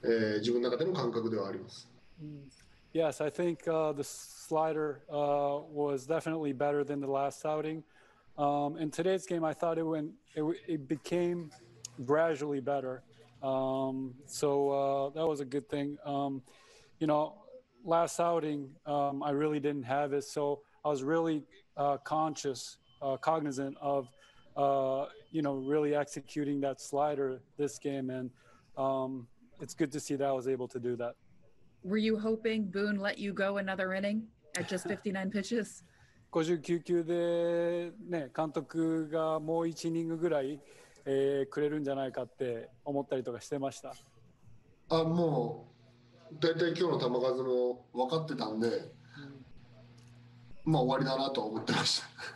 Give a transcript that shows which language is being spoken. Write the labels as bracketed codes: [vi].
[ja] まあ前回特にスライダーがしっかりと動いていなかったんで、まあそこは今日の登板意識してた部分ではあったんですけど、回を追うごとにあのスライダーも良くなっていったっていう、自分の中での感覚ではあります。 [en] Yes, I think the slider was definitely better than the last outing. In today's game, I thought it became gradually better. So that was a good thing. You know, last outing, I really didn't have it. So I was really cognizant of, you know, really executing that slider this game. And it's good to see that I was able to do that. Were you hoping Boone let you go another inning at just 59 pitches? [ja] 59 球で、ね、監督がもう1イニングぐらい、くれるんじゃないかって思ったりとかしてました。あ、もう。大体今日の球数も分かってたんで、まあ終わりだなと思ってました。